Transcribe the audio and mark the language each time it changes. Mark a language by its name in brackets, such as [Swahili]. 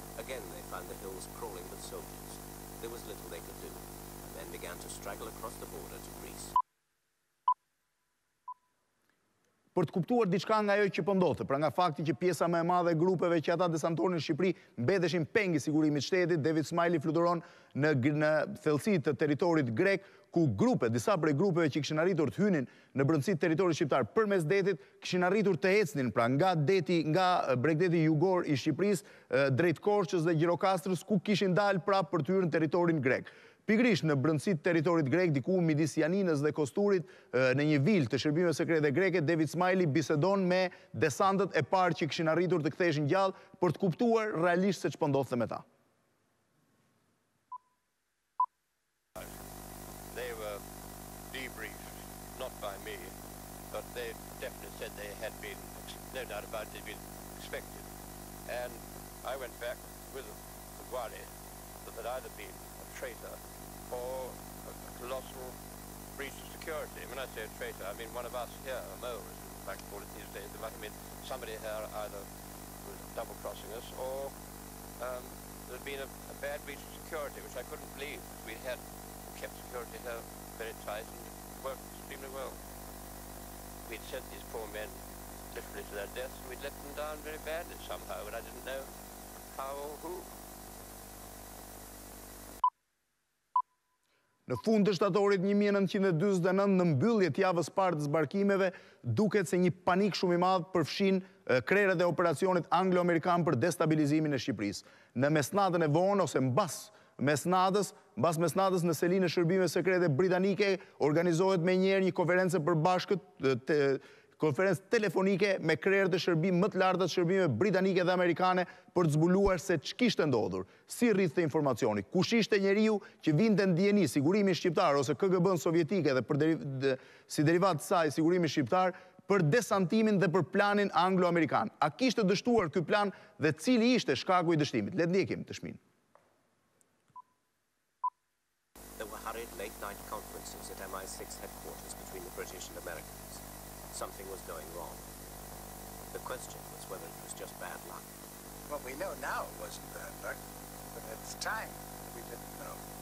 [English] Again, they found the hills crawling with soldiers. There was little they could do, and then began to straggle across the border to Greece. [Albanian] Për të kuptuar diçka nga ajo që po ndodhte, pra nga fakti që pjesa më e madhe e grupeve që ata desantuar në Shqipëri mbeteshin pengi sigurimit shtetit, David Smiley fluturon në thellësi të territorit grek, ku grupe, disa prej grupeve që kishin arritur të hynin në brëndësi të territorit shqiptar përmes detit, kishin arritur të ecnin, pra nga deti, nga bregdeti jugor I Shqipërisë, drejt Korçës dhe Gjirokastrës, ku kishin dalë prapë për të hyrë në territorin grek. Pikrisht në brëndësi të territorit grek, diku midis Janinës dhe Kosturit, në një vilë të shërbimeve sekrete greke, David Smiley bisedon me desantët e parë që kishin arritur të ktheshin gjallë për të kuptuar realisht se ç'po ndodhte me ta. [English] They were debriefed, not by me, but they definitely said they had been, no doubt about it, they'd been expected. And I went back with the worry that they'd either been a traitor or a colossal breach of security. And when I say a traitor, I mean one of us here, a mole, as we like to call it these days. I mean somebody here either was double-crossing us or there'd been a bad breach of security, which I couldn't believe we had. Kept security here very tight and worked extremely well. We'd sent these poor men literally to their deaths and we'd let them down very badly somehow, but I didn't know how or who. [Albanian] Në fund të shtatorit 1949, në mbyllje të javës parë të zbarkimeve, duket se një panik shumë I madh përfshin krerët e operacionit anglo-amerikanë për destabilizimin e Shqipërisë. Në mesnatën e vonë ose mbas mesnatës në selinë e shërbimeve sekrete britanike organizohet menjëherë një konferencë përbashkët, konferencë telefonike me krerët e shërbim më të lartë të shërbimeve britanike dhe amerikane për të zbuluar se ç'kishte ndodhur, si rrithte informacioni, kush ishte njeriu që vinte në DNI, sigurimi shqiptar ose KGB-n sovjetike dhe si derivat saj sigurimi shqiptar për desantimin dhe për planin anglo-amerikan. A kishte dështuar ky plan dhe cili ishte shkaku i dështimit? Le të ndjekim të shmin. [English] There were hurried late-night conferences at MI6 headquarters between the British and Americans. Something was going wrong. The question was whether it was just bad luck. What we know now wasn't bad luck, but at the time we didn't know.